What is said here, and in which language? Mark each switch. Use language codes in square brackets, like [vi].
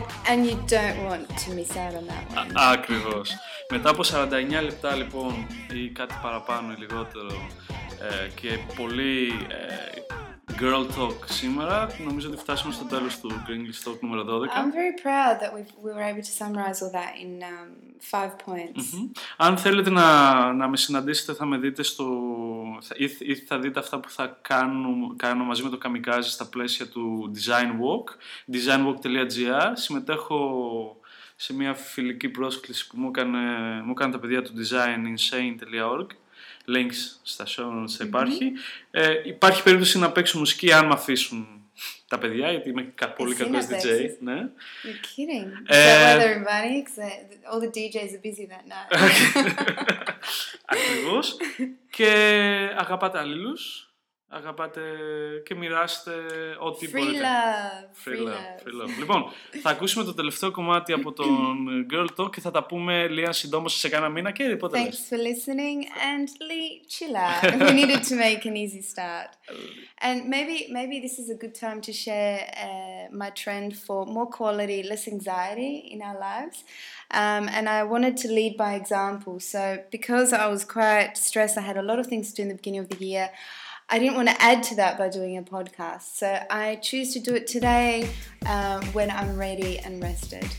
[en] And you don't want to miss out on that one. [el] Ακριβώς. Μετά από 49 λεπτά λοιπόν ή κάτι παραπάνω ή λιγότερο και πολύ girl talk σήμερα, νομίζω ότι φτάσαμε στο τέλος του Greenleaf Talk νούμερο 12. [en] I'm very proud that we were able to summarize all that in 5 points. Mm-hmm. [el] Αν θέλετε να με συναντήσετε, θα με δείτε στο... ή θα δείτε αυτά που θα κάνω μαζί με το Kamikaze στα πλαίσια του Design Walk, designwalk.gr. Συμμετέχω σε μια φιλική πρόσκληση που μου έκανε τα παιδιά του designinsane.org. Links στα show notes θα υπάρχει. Mm-hmm. Υπάρχει περίπτωση να παίξω μουσική αν με αφήσουν τα παιδιά, γιατί είμαι πολύ κακός DJ. Ναι. [en] You're kidding. Weather and money, all the DJs are busy that night. [el] Ακριβώς. Και αγαπάτε αλλήλους. Αγαπάτε και μοιράστε ό,τι [en] free [el] μπορείτε. [en] Love, free love. [el] Λοιπόν, θα ακούσουμε το τελευταίο κομμάτι από τον Girl Talk και θα τα πούμε, Λία, συντόμως σε κάνα μήνα και ποτέ. [en] Thanks for listening and Lee, chill out. We needed to make an easy start. And maybe this is a good time to share my trend for more quality, less anxiety in our lives. And I wanted to lead by example. So because I was quite stressed, I had a lot of things to do in the beginning of the year, I didn't want to add to that by doing a podcast, so I choose to do it today when I'm ready and rested.